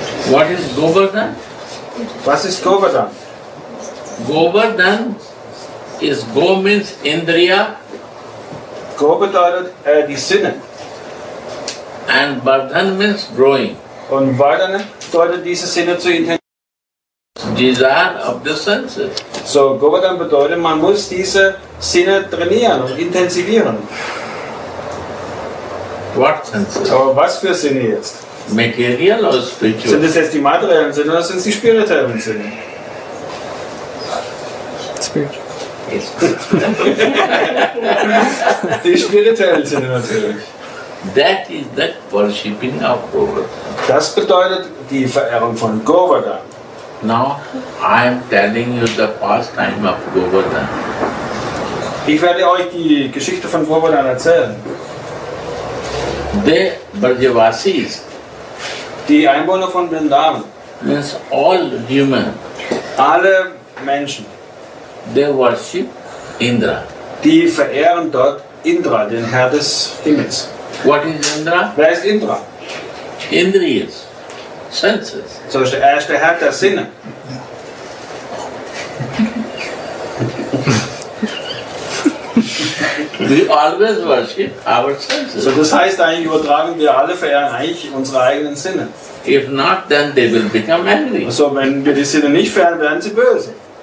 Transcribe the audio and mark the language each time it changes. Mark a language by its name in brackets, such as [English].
[English] What is Govardhan? [German] Was ist Govardhan? [English] Govardhan is Go means Indriya. [German] Go bedeutet die Sinne. [English] And Vardhan means growing. [German] Und Vardhan bedeutet diese Sinne zu intensivieren. [English] Desire of the senses. [German] So Govardhan bedeutet, man muss diese Sinne trainieren und intensivieren. [English] What senses? [German] Aber was für Sinne jetzt? [English] Material or spiritual? [German] Sind es jetzt die materiellen Sinne oder sind es die spirituellen Sinne? [English] Spiritual. [German] Die spirituellen Sinne natürlich. [English] That is the worshipping of Govardhan. [German] Das bedeutet die Verehrung von Govardhan. [English] Now I am telling you the pastime of Govardhan. [German] Ich werde euch die Geschichte von Govardhan erzählen. [English] The Brajavasis. [German] Die Einwohner von Vrindavan. [English] Means all human. [German] Alle Menschen. [English] They worship Indra. [German] Die verehren dort Indra, den Herr des Himmels. [English] What is Indra? [German] Wer ist Indra? [English] Indriyas. Senses. [German] So ist er ist der Herr der Sinne. Ja. [English] We always worship our senses. [German] So das heißt eigentlich übertragen wir alle verehren eigentlich unsere eigenen Sinne. [English] If not, then they will become angry. [German] So wenn wir die Sinne nicht verehren, werden sie böse.